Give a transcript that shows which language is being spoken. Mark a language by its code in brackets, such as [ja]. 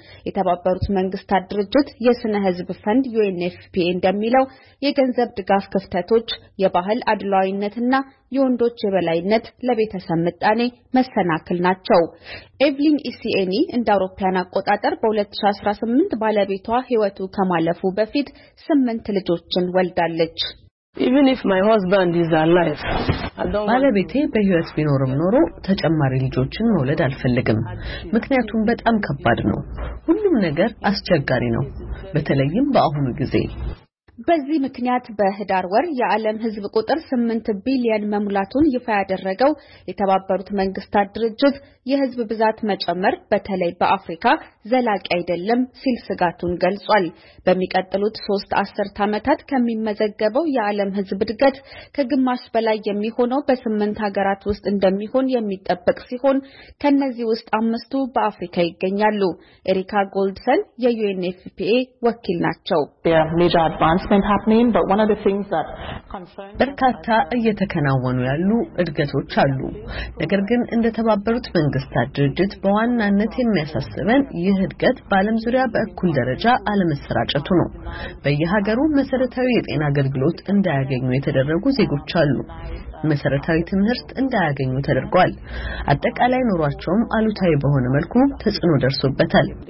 [am] የተባበሩት መንግስታት ድርጅት የስነ ህዝብ ፈንድ UNFPA እንደሚለው የገንዘብ ድጋፍ ክፍተቶች የባህል አድሏዊነትና የወንዶች የበላይነት ለቤተሰብ ምጣኔ መሰናክል ናቸው። ኤቭሊን ኢሲኤኒ እንደ አውሮፓውያን አቆጣጠር በ2018 ባለቤቷ ህይወቱ ከመአለፉ በፊት 8 ልጆችን ወልዳለች። [en] Even if my husband is alive, [am] ባለቤቴ በህይወት ቢኖርም ኖሮ ተጨማሪ ልጆችን መውለድ አልፈልግም። ምክንያቱም በጣም ከባድ ነው። ሁሉም ነገር አስቸጋሪ ነው፣ በተለይም በአሁኑ ጊዜ። በዚህ ምክንያት በህዳር ወር የዓለም ህዝብ ቁጥር 8 ቢሊዮን መሙላቱን ይፋ ያደረገው የተባበሩት መንግስታት ድርጅት የህዝብ ብዛት መጨመር በተለይ በአፍሪካ ዘላቂ አይደለም ሲል ስጋቱን ገልጿል። በሚቀጥሉት 3 አስርት ዓመታት ከሚመዘገበው የዓለም ህዝብ እድገት ከግማሽ በላይ የሚሆነው በ8 ሀገራት ውስጥ እንደሚሆን የሚጠበቅ ሲሆን ከነዚህ ውስጥ 5ቱ በአፍሪካ ይገኛሉ። ኤሪካ ጎልድሰን የዩኤንኤፍፒኤ ወኪል ናቸው። [en] ያ ሜጃ አድቫንስ advancement happening, but one of the things that concerns [am] በርካታ እየተከናወኑ ያሉ እድገቶች አሉ። ነገር ግን እንደተባበሩት መንግስታት ድርጅት በዋናነት የሚያሳስበን ይህ እድገት በአለም ዙሪያ በእኩል ደረጃ አለመሰራጨቱ ነው። በየሀገሩ መሰረታዊ የጤና አገልግሎት እንዳያገኙ የተደረጉ ዜጎች አሉ። መሰረታዊ ትምህርት እንዳያገኙ ተደርጓል። አጠቃላይ ኑሯቸውም አሉታዊ በሆነ መልኩ ተጽዕኖ ደርሶበታል።